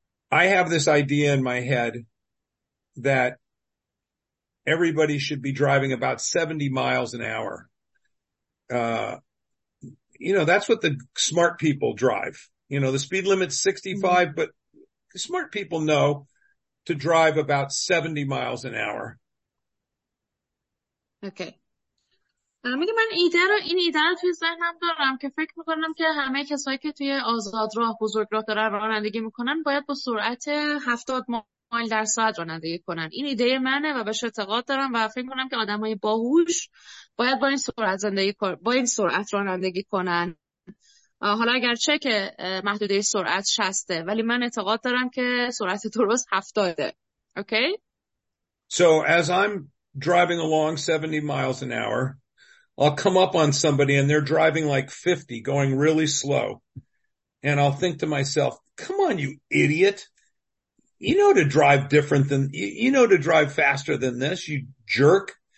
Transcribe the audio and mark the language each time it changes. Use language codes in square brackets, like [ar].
[en] I have this idea in my head that everybody should be driving about 70 miles an hour. You know, that's what the smart people drive. You know, the speed limit's 65, mm-hmm. but the smart people know to drive about 70 miles an hour. Okay. [fa] میگه من ایده رو، این ایده رو توی ذهنم دارم که فکر میکنم که همه کسایی که توی آزاد راه، بزرگ راه دارن رانندگی میکنن باید با سرعت 70 مایل در ساعت رانندگی کنن. این ایده منه و بهش اعتقاد دارم و فکر میکنم که آدمای باهوش باید با این سرعت زندگی کنن، با این سرعت رانندگی کنن. حالا اگرچه که محدوده سرعت 60ه، ولی من اعتقاد دارم که سرعت درست 70ه. [en] Okay. So as I'm driving along 70 miles an hour, I'll come up on somebody and they're driving like 50, going really slow. And I'll think to myself, come on, you idiot. You know to drive different than, you know to drive faster than this, you jerk.